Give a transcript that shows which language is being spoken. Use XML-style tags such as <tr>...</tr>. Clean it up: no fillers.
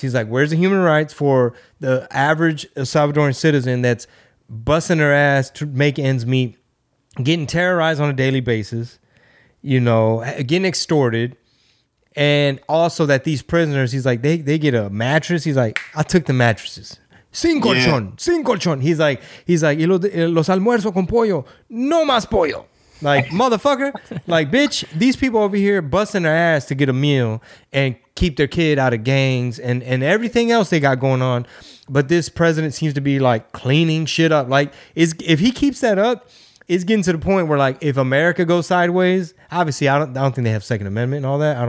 <en>He's like, where's the human rights for the average Salvadoran citizen that's busting their ass to make ends meet, getting terrorized on a daily basis, you know, getting extorted? And also that these prisoners, he's like, they get a mattress. He's like, I took the mattresses.</en> <es>Sin colchón.</es> <en>He's like,</en> <es>los almuerzos con pollo, no más pollo.</es> <en>Like, motherfucker. Like, bitch, these people over here busting their ass to get a meal and keep their kid out of gangs and everything else they got going on. But this president seems to be, like, cleaning shit up. Like, if he keeps that up, it's getting to the point where, like, if America goes sideways, obviously I don't think they have Second Amendment and all that.</en>